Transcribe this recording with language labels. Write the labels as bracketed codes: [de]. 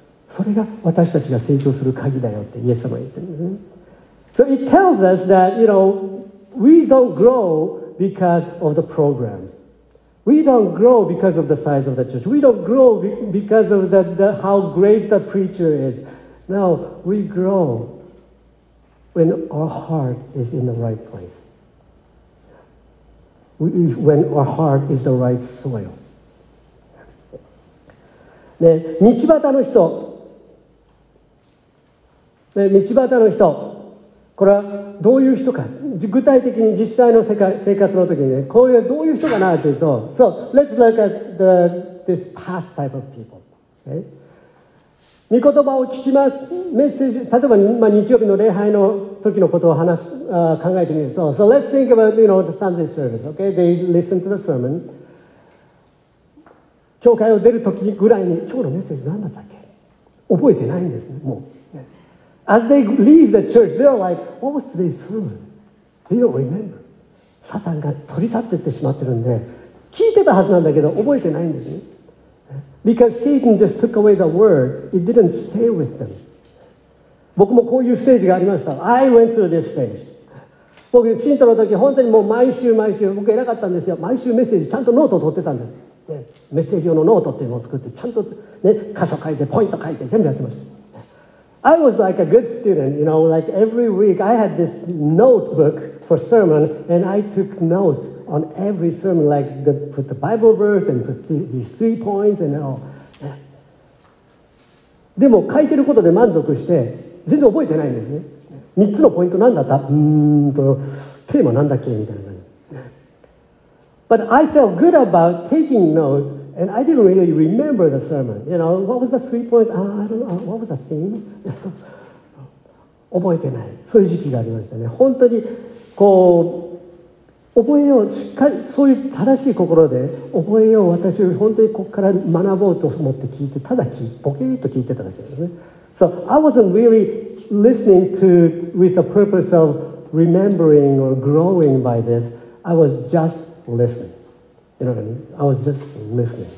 [ja] それが私たちが成長する鍵だよってイエス様は言ってるんですね。 [en] So it tells us that, you know,We don't grow because of the programs. We don't grow because of the size of the church. We don't grow because of how great the preacher is. No, we grow when our heart is in the right place. When our heart is the right soil. [ja] ね、道端の人。ね、道端の人。これはどういう人か、具体的に実際の生活の時にね、こういうどういう人かなというと、 [en] So, let's look at this past type of people. Okay? [ja] 御言葉を聞きます。メッセージ、例えば、まあ、日曜日の礼拝の時のことを話す、考えてみると、 [en] So, let's think about, you know, the Sunday service, okay? They listen to the sermon. [ja] 教会を出る時ぐらいに、今日のメッセージ何だったっけ？覚えてないんですね、もう。 [en] As they leave the church, they're like, what was today's sermon? They don't remember. [ja] サタンが取り去っていってしまってるんで、聞いてたはずなんだけど、覚えてないんですね。 [en] Because Satan just took away the word, it didn't stay with them. [ja] 僕もこういうステージがありました。 [en] I went through this stage. [ja] 僕、信徒の時、本当にもう毎週毎週、僕偉かったんですよ。毎週メッセージ、ちゃんとノートを取ってたんです、ね。メッセージ用のノートっていうのを作って、ちゃんと、ね、箇所書いて、ポイント書いて、全部やってました。 [en] I was like a good student, you know, like every week I had this notebook for sermon and I took notes on every sermon, like put the Bible verse and put these three points and all. [ja] でも書いてることで満足して全然覚えてないんですね。 3つのポイント何だった？テーマ何だっけ？みたいな。 [en] But I felt good about taking notes. And I didn't really remember the sermon. You know, what was the three points? I don't know. What was the theme? [ja] 覚えてない。そういう時期がありましたね。本当にこう覚えよう、しっかりそういう正しい心で覚えよう。私は本当にここから学ぼうと思って聞いて、ただボケーっと聞いてただけですね。 [en] So I wasn't really listening to with the purpose of remembering or growing by this. I was just listening. You know what I mean? I was just listening.